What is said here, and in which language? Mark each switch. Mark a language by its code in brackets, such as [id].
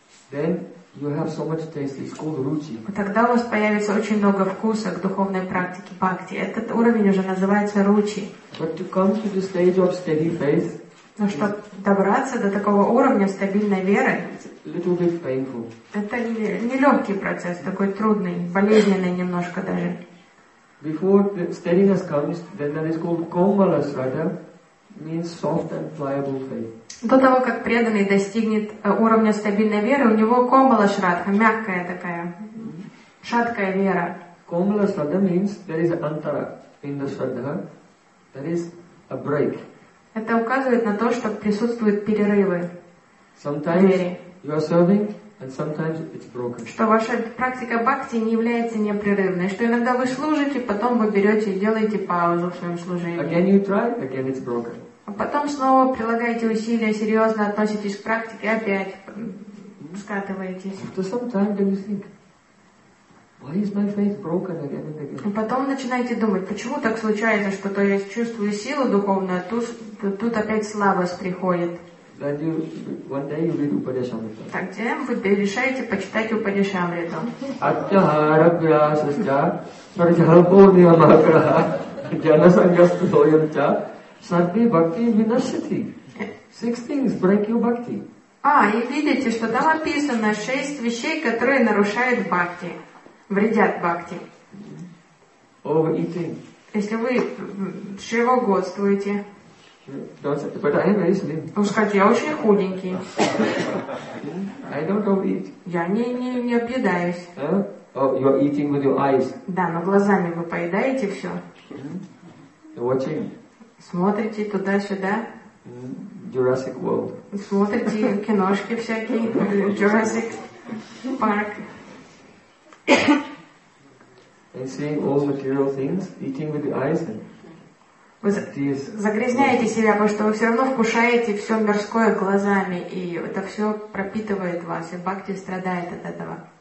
[en] Then you have so much taste, it's called ruchi. [ru] Тогда у вас появится очень много вкуса к духовной практике бхакти. Этот уровень уже называется ruchi. [en] But to come to the stage of steady faith, [ru] но чтобы добраться до такого уровня стабильной веры, [en] it's a little bit painful. [ru] Это нелегкий процесс, такой трудный, болезненный немножко даже. [en] Before the steadiness comes, then that is called komala shraddha, means soft and pliable faith. [ru] До того, как преданный достигнет уровня стабильной веры, у него комала шрадха, мягкая такая, шаткая вера. [en] Комала шрадха means there is antara in the shraddha, there is a break. [ru] Это указывает на то, что присутствуют перерывы. [en] Sometimes you are serving, and sometimes it's broken. [ru] Что ваша практика бхакти не является непрерывной, что иногда вы служите, потом вы берете и делаете паузу в своем служении. [en] Again you try, again it's broken. [ru] А потом снова прилагаете усилия, серьезно относитесь к практике, опять скатываетесь. [en] After some time, then you think, why is my faith broken again and again? [ru] И потом начинаете думать, почему так случается, что то я чувствую силу духовную, а тут опять слабость приходит. [en] Then you, one day you read Upanishad. [ru] Так, затем вы решаете почитать Упанишамриту. [sa] Атхара пьясасча, сарджалпурниамакраха, джанасангастудоямча. Сарви бхакти винашити. [en] Six things break your bhakti. [ru] А, и видите, что там описано шесть вещей, которые нарушают бхакти, вредят бхакти. [en] Overeating. [ru] Если вы шивогодствуете. [en] But I am very slim. [ru] Вы скажете, я очень худенький. [en] I don't overeat. [ru] Я не объедаюсь. [en] Oh, you're eating with your eyes. [ru] Да, но глазами вы поедаете все. [en] You're watching. [ru] Смотрите туда-сюда. [en] Jurassic World. [ru] Смотрите киношки всякие. [en] Jurassic Park. And seeing all material things, eating with the eyes. And [ru] вы загрязняете себя, потому что вы все равно вкушаете все мирское глазами. И это все пропитывает вас. И бхакти страдает от этого.